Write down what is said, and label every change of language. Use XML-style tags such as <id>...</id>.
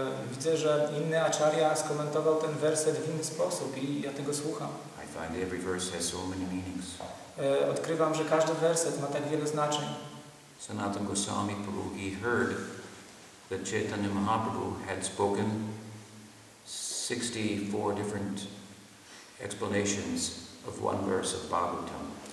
<pl>Widzę, że inny acharya skomentował ten werset w inny sposób i ja tego słucham.</pl> <en>I find every verse has so many meanings.</en> <pl>Odkrywam, że każdy werset ma tak wiele znaczeń.</pl> <en>Sanatana Goswami Prabhu, he heard that Chaitanya Mahaprabhu had spoken 64 different explanations of one verse of Bhagavatam.</en>